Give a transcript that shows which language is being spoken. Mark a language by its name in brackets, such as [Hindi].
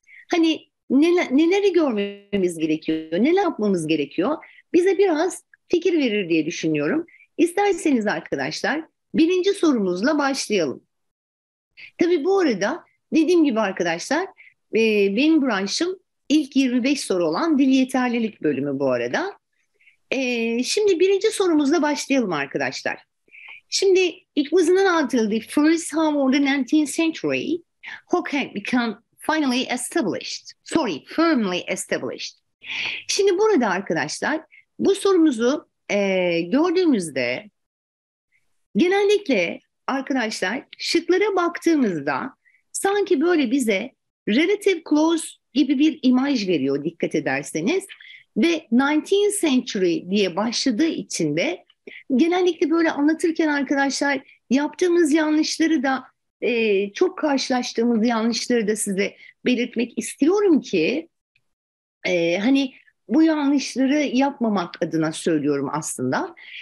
[Turkish] Hani neleri görmemiz gerekiyor, neler yapmamız gerekiyor, bize biraz fikir verir diye düşünüyorum. İsterseniz arkadaşlar birinci sorumuzla başlayalım. Tabii bu arada dediğim gibi arkadaşlar benim branşım ilk 25 soru olan dil yeterlilik bölümü bu arada. Şimdi birinci sorumuzla başlayalım arkadaşlar. Şimdi [English] it was not until the first half of the 19th century Hokkien became finally established. Sorry, firmly established. [Turkish] Şimdi burada arkadaşlar Bu sorumuzu gördüğümüzde genellikle arkadaşlar şıklara baktığımızda sanki böyle bize relative clause gibi bir imaj veriyor dikkat ederseniz. Ve 19th century diye başladığı için de genellikle böyle anlatırken arkadaşlar yaptığımız yanlışları da çok karşılaştığımız yanlışları da size belirtmek istiyorum ki hani bu yanlışları yapmamak adına söylüyorum aslında.